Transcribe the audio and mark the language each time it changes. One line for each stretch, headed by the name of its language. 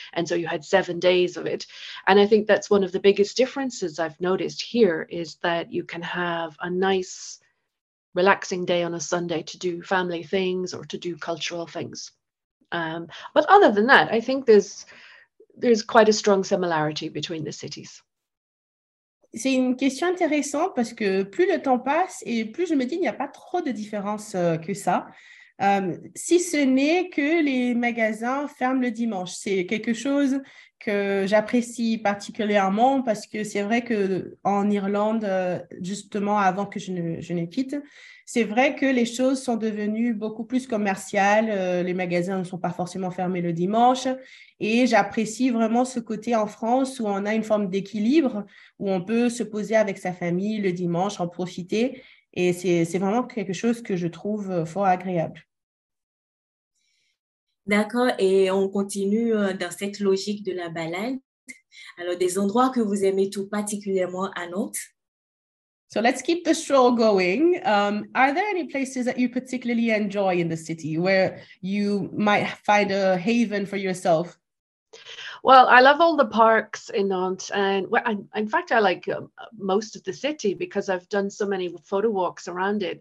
English: And so you had 7 days of it. And I think that's one of the biggest differences I've noticed here is that you can have a nice, relaxing day on a Sunday to do family things or to do cultural things. But other than that, I think there's quite a strong similarity between the cities.
French: C'est une question intéressante parce que plus le temps passe et plus je me dis qu'il n'y a pas trop de différence que ça, si ce n'est que les magasins ferment le dimanche. C'est quelque chose que j'apprécie particulièrement parce que c'est vrai qu'en Irlande, justement avant que je ne quitte, c'est vrai que les choses sont devenues beaucoup plus commerciales, les magasins ne sont pas forcément fermés le dimanche et j'apprécie vraiment ce côté en France où on a une forme d'équilibre, où on peut se poser avec sa famille le dimanche, en profiter et c'est vraiment quelque chose que je trouve fort agréable. D'accord, et on continue dans cette logique de la balade. Alors, des endroits que vous aimez tout particulièrement à Nantes?
English: So let's keep the stroll going. Are there any places that you particularly enjoy in the city where you might find a haven for yourself? Well, I love all the parks in Nantes. And in fact, I like most of the city because I've done so many photo walks around it.